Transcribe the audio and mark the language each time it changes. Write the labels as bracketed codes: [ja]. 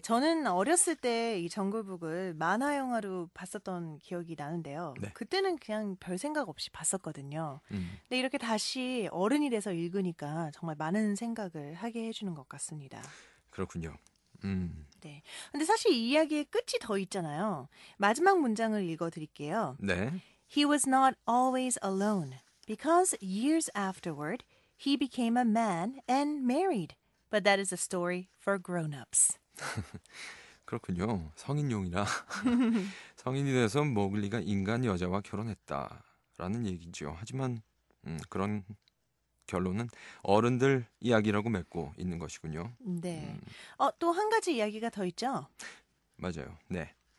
[ko] 저는 어렸을 때 이 정글북을 만화 영화로 봤었던 기억이 나는데요. 네. 그때는 그냥 별 생각 없이 봤었거든요. 근데 이렇게 다시 어른이 돼서 읽으니까 정말 많은 생각을 하게 해주는 것 같습니다. 그렇군요. 네. 근데 사실 이 이야기의 끝이 더 있잖아요. 마지막 문장을 읽어드릴게요. 네. [en] He was not always alone because years afterward he became a man and married. But that is a story for grown-ups. [ko] 그렇군요. 성인용이라. 성인이 돼서 머글리가 인간 여자와 결혼했다라는 얘기죠. 하지만 그런 결론은 어른들 이야기라고 맺고 있는 것이군요. 네. 또 한 가지 이야기가 더 있죠? 맞아요. 네.